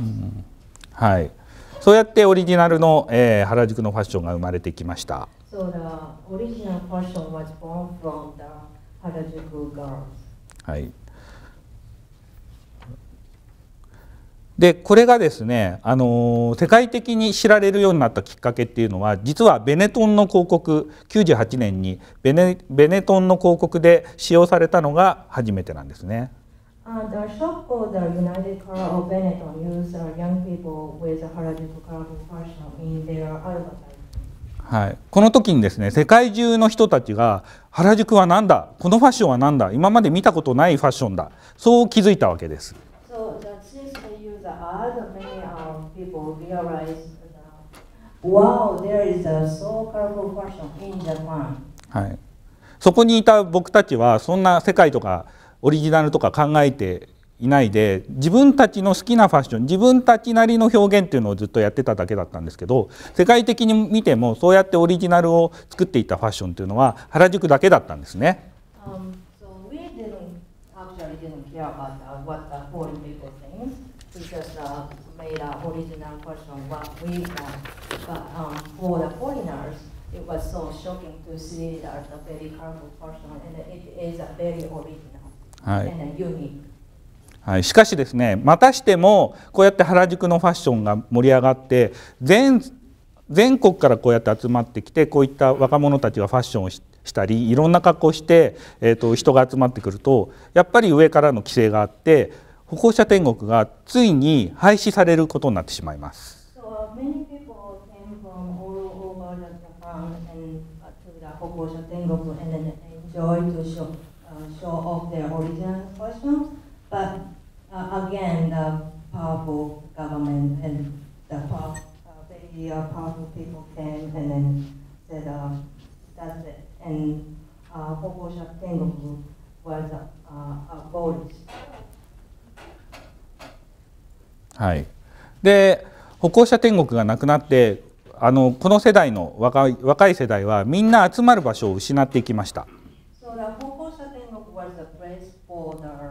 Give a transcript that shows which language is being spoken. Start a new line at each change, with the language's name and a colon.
Japanese: うん、はい、そうやってオリジナルの、原宿のファッションが生まれてきました。
English: So the original fashion was born from the 原宿 girls。
Japanese: はい、でこれがですね、世界的に知られるようになったきっかけっていうのは、実はベネトンの広告、98年にベネトンの広告で使用されたのが初めてなんですね。
English: The shop called the United Color of Benetton used young people with Harajuku colorful fashion in their advertising.
Japanese: はい、この時にですね、世界中の人たちが原宿は何だ、このファッションは何だ、今まで見たことないファッションだ、そう気づいたわけです。
English: So that since they use the ad, many people realize that, wow, there is a so colorful fashion in Japan、
Japanese: はい、そこにいた僕たちはそんな世界とかオリジナルとか考えていないで、自分たちの好きなファッション、自分たちなりの表現っていうのをずっとやってただけだったんですけど、世界的に見てもそうやってオリジナルを作っていたファッションっていうのは原宿だけだったんですね。
English: So we didn't actually didn't care about what the foreign people think. We just made a original fashion what we want. But for the foreigners, it was so shocking to see that a very colorful fashion and it is a very original and unique.
Japanese: はい、しかしですね、またしてもこうやって原宿のファッションが盛り上がって、 全国からこうやって集まってきて、こういった若者たちがファッションをしたりいろんな格好をして、人が集まってくると、やっぱり上からの規制があって、歩行者天国がついに廃止されることになってしまいます。
English: So many people came from all over Japan and to the 歩行者天国 and then enjoy to show off their original fashionBut again, the powerful government and the powerful people came and then said, that's it. And Hokusha Tengoku was abolished.
Japanese: はい。で、歩行者天国がなくなって、この世代の若い世代はみんな集まる場所を失っていきました。
English: So the 歩行者天国 was a place for the,